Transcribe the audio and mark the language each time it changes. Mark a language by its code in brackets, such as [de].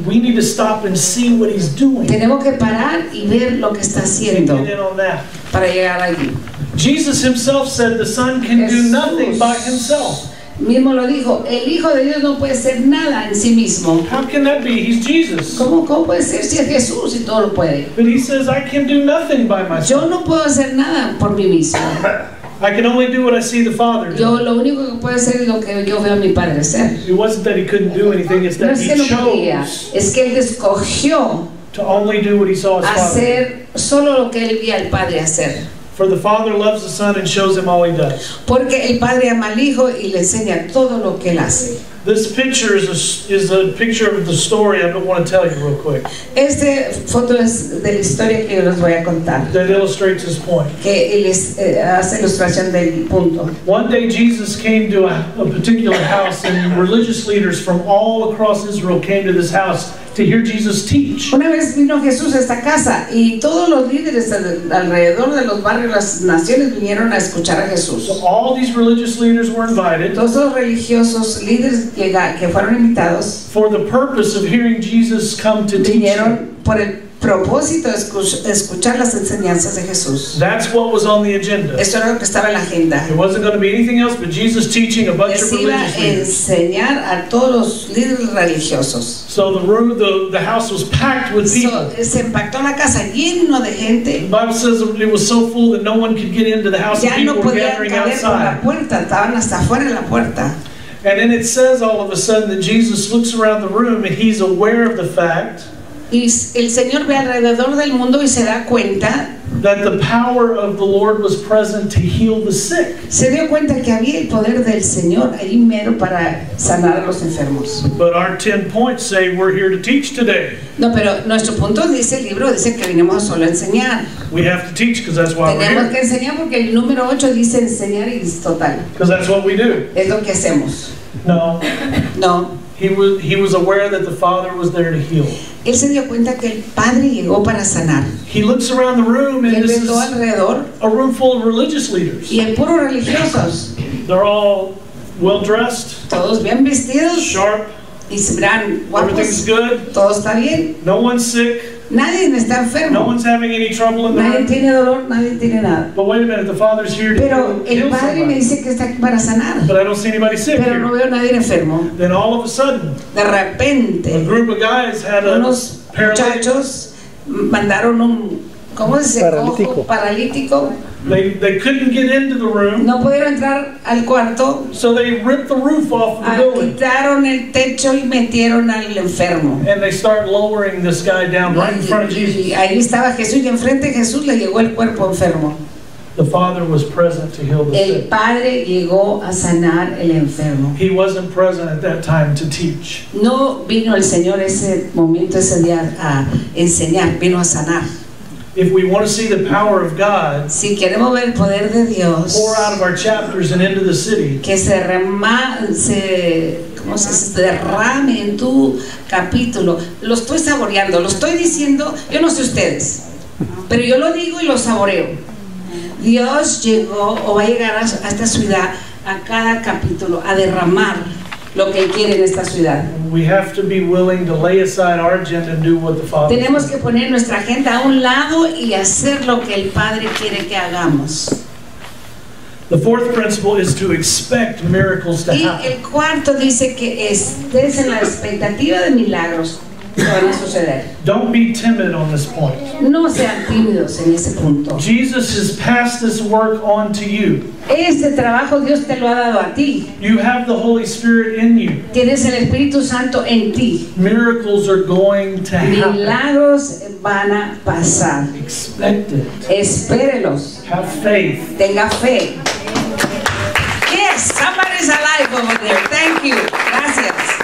[en] We need to stop and see what he's doing. [es] Tenemos que parar y ver lo que está haciendo. [en] Get in on that. [es] Para llegar allí. [en] Jesus himself said the Son can do nothing by himself. [es] Mismo lo dijo, el Hijo de Dios no puede ser nada en sí mismo. [en] How can that be? He's Jesus. [es] ¿Cómo puede ser si es Jesús y todo lo puede? [en] But he says, I can do nothing by myself. [es] Yo no puedo hacer nada por mí mismo. [en] I can only do what I see the Father do. [es] Yo lo único que puedo hacer es lo que yo veo a mi Padre hacer. [en] It wasn't that he couldn't do anything, it's that [es] no es que [en] he chose. [es] Podía. Es que él escogió [en] to only do what he saw his [es] hacer [en] Father. [es] Solo lo que él vio al Padre hacer. [en] For the Father loves the Son and shows him all he does. [es] Porque el Padre ama al Hijo y le enseña todo lo que él hace. [en] This picture is a picture of the story I want to tell you real quick. [es] Esta foto es de la historia que yo les voy a contar. [en] That illustrates this point. [es] Que les hace ilustración del punto. [en] One day Jesus came to a particular house and religious leaders from all across Israel came to this house to hear Jesus teach. [es] Una vez vino Jesús a esta casa y todos los líderes alrededor de los barrios, las naciones vinieron a escuchar a Jesús. [en] So all these religious leaders were invited. [es] Todos los religiosos líderes que fueron invitados [en] for the purpose of hearing Jesus come to teach. [es] Vinieron por el propósito es escuchar las enseñanzas de Jesús. [en] That's what was on the agenda. [es] Eso era lo que estaba en la agenda. [en] It wasn't going to be anything else but Jesus teaching a bunch of religious leaders. [es] Les iba a enseñar a todos los líderes religiosos. [en] So the room, the house was packed with people. [es] Se empactó la casa lleno de gente. [en] The Bible says it was so full that no one could get into the house. [es] Ya no podían caber por la puerta, estaban hasta fuera de la puerta. [en] And then it says all of a sudden that Jesus looks around the room and he's aware of the fact. [es] Y el Señor ve alrededor del mundo y se da cuenta [en] that the power of the Lord was present to heal the sick. [es] Se dio cuenta que había el poder del Señor ahí mero para sanar a los enfermos. [en] But our 10 points say we're here to teach today. [es] No, pero nuestro punto dice el libro dice que vinimos solo a enseñar. [en] We have to teach because that's why [es] tenemos Tenemos que enseñar porque el número 8 dice enseñar y es total. [en] Because that's what we do. [es] Es lo que hacemos. [en] No. [es] No. [en] He was aware that the Father was there to heal. [es] Él se dio cuenta que el Padre llegó para sanar. [en] He looks around the room and this is [es] alrededor. [en] A room full of religious leaders. [es] Y en puro religiosos. [en] They're all well dressed. [es] Todos bien vestidos. [en] Sharp. [es] Y se miran guapos. [en] Everything's good. [es] Todo está bien. [en] No one's sick. [es] Nadie está enfermo. [en] No one's having any trouble in the room. [es] Nadie tiene dolor, nadie tiene nada. [en] But wait a minute, the Father's here [es] pero [en] to heal [es] Padre [en] somebody. [es] Me dice que está aquí para sanar. [en] But I don't see anybody sick [es] pero [en] here. [es] No veo nadie enfermo. [en] Then all of a sudden, [es] de repente, [en] a group of guys had [es] unos [en] a paralytic. [es] Muchachos mandaron un, ¿cómo se dice? Paralítico. Paralítico. [en] They couldn't get into the room. [es] No pudieron entrar al cuarto. [en] So they ripped the roof off the building. [es] Quitaron el techo y metieron al enfermo. [en] And they start lowering this guy down right in front of Jesus. [es] Y ahí estaba Jesús y enfrente de Jesús le llegó el cuerpo enfermo. [en] The Father was present to heal the [es] el [en] sick. [es] El Padre llegó a sanar el enfermo. [en] He wasn't present at that time to teach. [es] No vino el Señor ese momento ese día a enseñar, vino a sanar. [en] If we want to see the power of God, [es] si queremos ver el poder de Dios, [en] pour out of our chapters and into the city, [es] que se remase, ¿cómo se dice? Derrame en tu capítulo. Lo estoy saboreando, lo estoy diciendo, yo no sé ustedes, pero yo lo digo y lo saboreo. Dios llegó o va a llegar a esta ciudad, a cada capítulo, a derramar lo que quiere en esta ciudad. [en] We have to be willing to lay aside our agenda and do what the Father. [es] Tenemos que poner nuestra agenda a un lado y hacer lo que el Padre quiere que hagamos. [en] The fourth principle is to expect miracles to happen. [es] Y el cuarto dice que estés en la expectativa de milagros que van a suceder. [en] Don't be timid on this point. [es] No sean tímidos en ese punto. [en] Jesus has passed this work on to you. [es] Este trabajo Dios te lo ha dado a ti. [en] You have the Holy Spirit in you. [es] Tienes el Espíritu Santo en ti. [en] Miracles are going to happen. [es] Milagros van a pasar. [en] Expect it. [es] Espérelos. [en] Have faith. [es] Tenga fe. [en] Yes, somebody's alive over there. Thank you. Gracias.